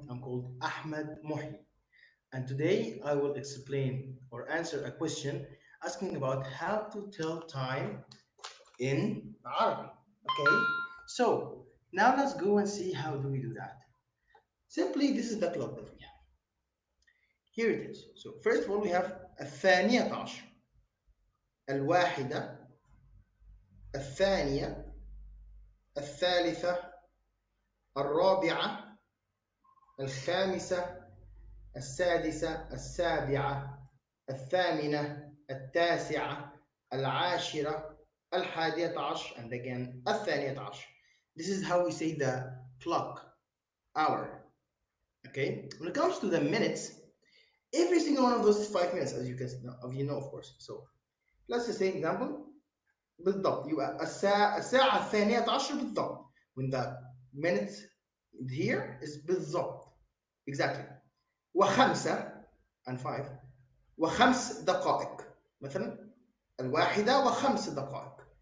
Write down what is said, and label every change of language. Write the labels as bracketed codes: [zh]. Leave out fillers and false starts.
[en] I'm called Ahmed Mohy. And today I will explain or answer a question asking about how to tell time in Arabic. Okay, so now let's go and see how do we do that. Simply, this is the clock that we have. Here it is. So first of all, we have [ar] الثانية عشر. الواحدة الثانية الثالثة الرابعة الخامسة السادسة السابعة الثامنة التاسعة العاشرة الحادية عشر [en] and again [ar] الثانية عشر. [en] This is how we say the clock, hour. Okay, when it comes to the minutes, every single one of those 5 minutes, as you guys know, of you know of course. So let's just say example, بالضبط. [ar] You الساعة الثانية عشر بالضبط. [en] When the minutes here is بالضبط, exactly. [ar] وخمسة [en] and five, [ar] وخمس دقائق. مثلا الواحدة وخمس دقائق.